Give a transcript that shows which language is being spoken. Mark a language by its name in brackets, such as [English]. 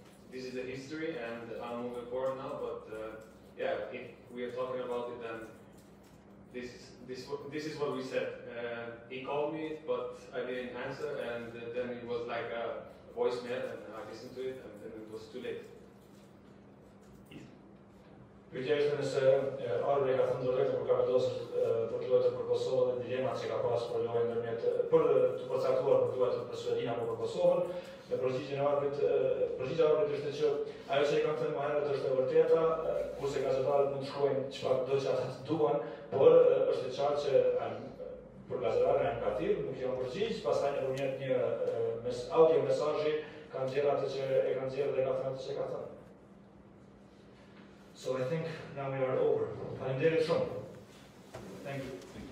[English] This is the history, and I'm moving forward now. But yeah, if we are talking about it, then this is what we said. He called me, but I didn't answer, and then it was like a voicemail, and I listened to it, and then it was too late. [Albanian] Pyetja nëse Arbre ka thënë drejtë kur ka vendosur për të luajtur për Kosovën dhe dilemat që ka pasur për lojën ndërmjet për të përcaktuar për të luajtur për Suedinë apo për Kosovën. Në përgjigjen e Arbrit, përgjigja e Arbrit është që ajo që i kanë thënë më herët është e vërteta, kurse gazetarët mund të shkojnë çfarë do që ata të duan, por është e qartë që për gazetarët janë katir, nuk janë përgjigj, pastaj nëpërmjet një audio mesazhi kanë gjerë atë që e kanë gjerë dhe ka thënë atë që ka thënë. [English] So I think now we are over. [Albanian] Faleminderit shumë. [English] Thank you.